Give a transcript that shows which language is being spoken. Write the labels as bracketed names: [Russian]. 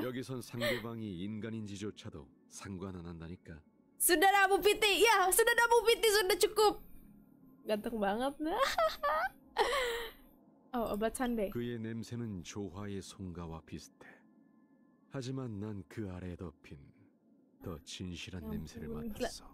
[Korean] 여기선 상대방이 인간인지조차도 상관 안 한다니까. [Indonesian] Sudah dapat PT, ya, sudah dapat PT, sudah cukup. Ganteng banget. Oh, obat candai. [Korean] 그의 냄새는 조화의 송가와 비슷해. 하지만 난 그 아래 덮인 더 진실한 ya, 냄새를 맡았어.